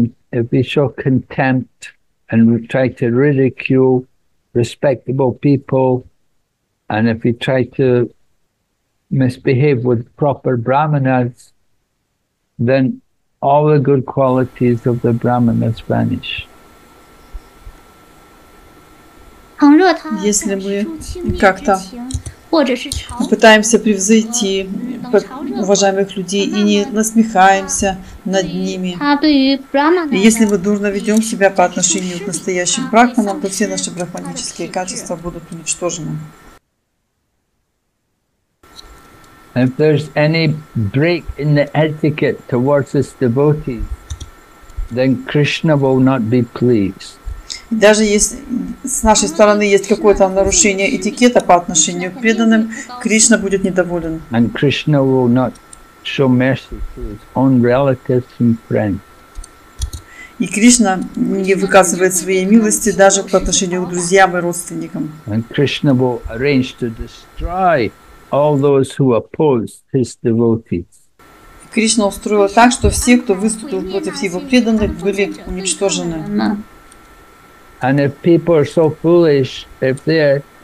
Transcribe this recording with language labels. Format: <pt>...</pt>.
<en>If we show contempt and we try to ridicule respectable people, and if we try to misbehave with proper brahmanas, then all the good qualities of the brahmanas vanish.</en> <ru>Если мы как-то пытаемся превзойти уважаемых людей и не насмехаемся над ними, и если мы дурно ведем себя по отношению к настоящим брахманам, то все наши брахманические качества будут уничтожены.</ru> <en>If there's any break in the etiquette towards his devotees, then Krishna will not be pleased.</en> <ru>Даже если с нашей стороны есть какое-то нарушение этикета по отношению к преданным, Кришна будет недоволен.</ru> <en>And Krishna will not show mercy to his own relatives and friends.</en> <ru>И Кришна не выказывает своей милости даже по отношению к друзьям и родственникам.</ru> <en>And Krishna will arrange to destroy all those who oppose his devotees.</en> <ru>Кришна устроил так, что все, кто выступил против его преданных, были уничтожены.</ru> <en>And if people are so foolish, if they're</en>